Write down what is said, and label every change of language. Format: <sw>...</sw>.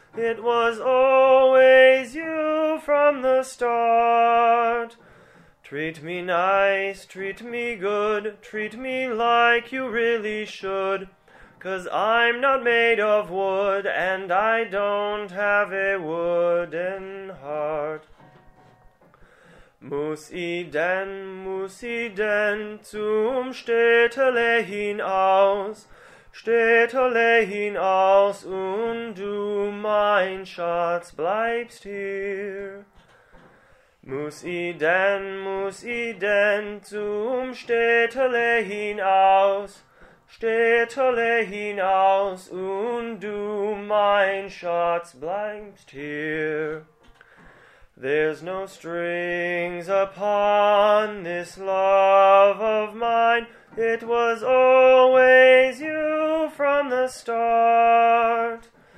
<en>It was always you from the start. Treat me nice, treat me good, treat me like you really should. 'Cause I'm not made of wood, and I don't have a wooden heart.</en> <de>Muss i denn zum Städtelein aus? Städtelein aus, und du, mein Schatz, bleibst hier. Muss i denn zum Städtelein aus? Städtelein aus, und du, mein Schatz, bleibst hier.</de> <en>There's no strings upon this love of mine. It was always you from the start.</en>